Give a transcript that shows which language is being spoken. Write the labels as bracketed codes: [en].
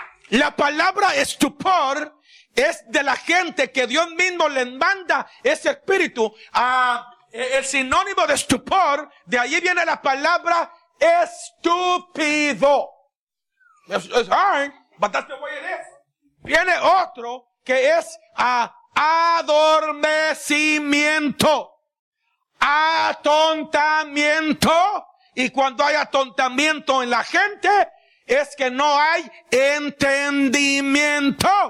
[es] La palabra estupor es de la gente que Dios mismo le manda ese espíritu. El sinónimo de estupor, de ahí viene la palabra estúpido. [en] It's hard, but that's the way it is. [es] Viene otro que es adormecimiento, atontamiento, y cuando hay atontamiento en la gente es que no hay entendimiento.